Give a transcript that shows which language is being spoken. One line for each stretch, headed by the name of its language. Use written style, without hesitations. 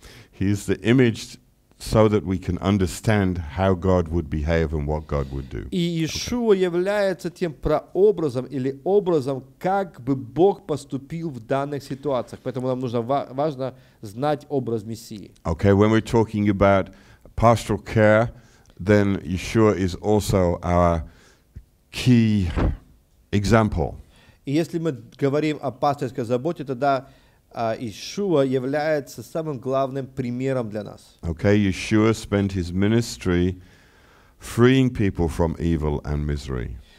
English: He is the image so that we can understand how God would behave and what God would do.
Russian: И Иешуа является тем прообразом или образом, как бы Бог поступил в данных ситуациях. Поэтому нам нужно важно знать образ Мессии.
English: Okay, when we're talking about pastoral care, then Yeshua is also our key example.
Russian: И если мы говорим о пасторской заботе, тогда Иешуа является самым главным примером для нас.
English: Okay, Yeshua spent his ministry freeing people from evil and misery.